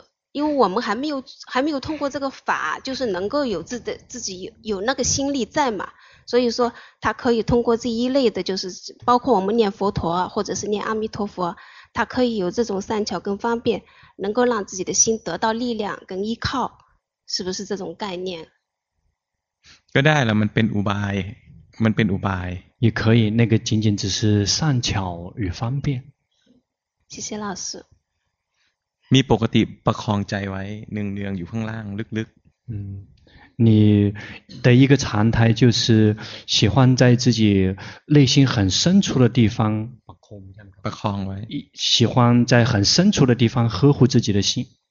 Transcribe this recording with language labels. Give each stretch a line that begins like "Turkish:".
Chinese: 因为我们还没有通过这个法就是能够有自己有那个心力在嘛所以说它可以通过这一类的就是包括我们念佛陀或者是念阿弥陀佛他可以有这种善巧跟方便能够让自己的心得到力量跟依靠是不是这种概念
Thai: ก็ได้ละมันเป็นอุบาย
Chinese: 也可以那个仅仅只是善巧与方便谢谢老师
Thai: มีปกติประคองใจไว้เนืองเนืองอยู่ข้างล่างลึกๆ
Chinese: 你的一个常态就是喜欢在自己内心很深处的地方不空了喜欢在很深处的地方呵护自己的心